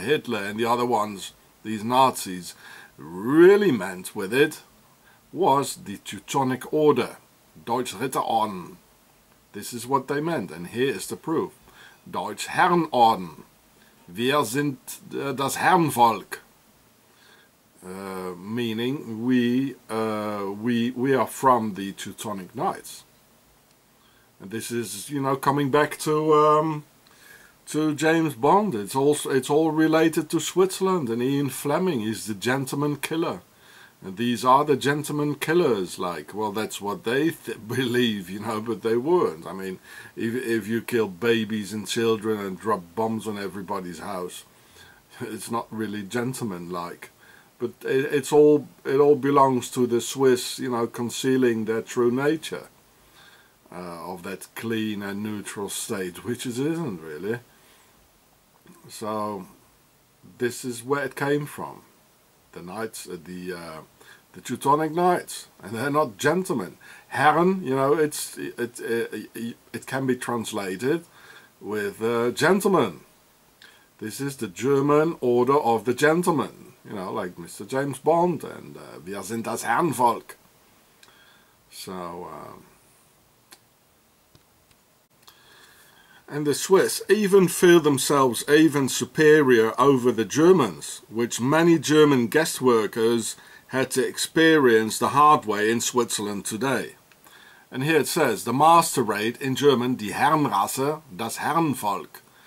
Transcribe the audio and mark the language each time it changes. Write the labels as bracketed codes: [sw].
[en] Hitler and the other ones, these Nazis, really meant with it was the Teutonic Order, Deutsche Ritterorden. This is what they meant, and here is the proof. [de] Deutsche Herrenorden. Wir sind das Herrenvolk. [en] Meaning we are from the Teutonic Knights, and this is, you know, coming back to James Bond. It's all related to Switzerland and Ian Fleming. He's the gentleman killer, and these are the gentleman killers. Like, well, that's what they believe, you know, but they weren't. I mean, if you kill babies and children and drop bombs on everybody's house, it's not really gentleman like. But it all belongs to the Swiss, you know, concealing their true nature of that clean and neutral state, which it isn't really. So this is where it came from. The Knights, the Teutonic Knights, and they're not gentlemen. Herren, you know, it can be translated with gentlemen. This is the German Order of the Gentlemen. You know, like Mr. James Bond and [de] wir sind das Herrenvolk. [en] So, And the Swiss even feel themselves even superior over the Germans, which many German guest workers had to experience the hard way in Switzerland today. And here it says, the master rate in German, [de] die Herrenrasse, das Herrenvolk.